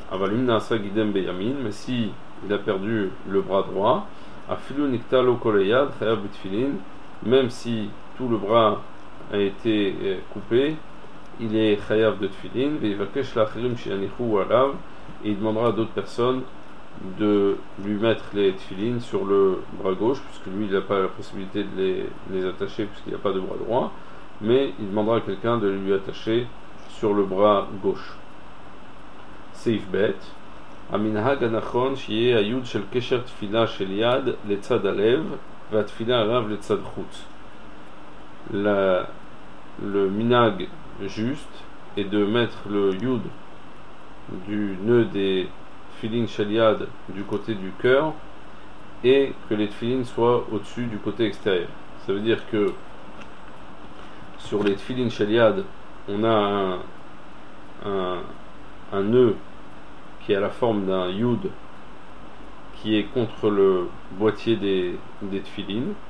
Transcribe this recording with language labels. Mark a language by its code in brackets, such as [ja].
[fr] Mais si il a perdu le bras droit, même si tout le bras a été coupé, il est chayav de tefillin, et il va [he] kesh l'achrim shianichu alav, [fr] et il demandera à d'autres personnes de lui mettre les tefillin sur le bras gauche, puisque lui il n'a pas la possibilité de les attacher, puisqu'il n'y a pas de bras droit, mais il demandera à quelqu'un de lui attacher sur le bras gauche. Seif bet, [he] המנהג הנכון שיהיה היוד של קשר תפילה של יד לצד הלב והתפילה הרב לצד חוץ. [fr] Le minhag juste est de mettre le yud du nœud des tefillin shel yad du côté du cœur et que les tefillin soient au-dessus du côté extérieur. Ça veut dire que sur les tefillin shel yad, on a un nœud qui a la forme d'un yud qui est contre le boîtier des tefillin.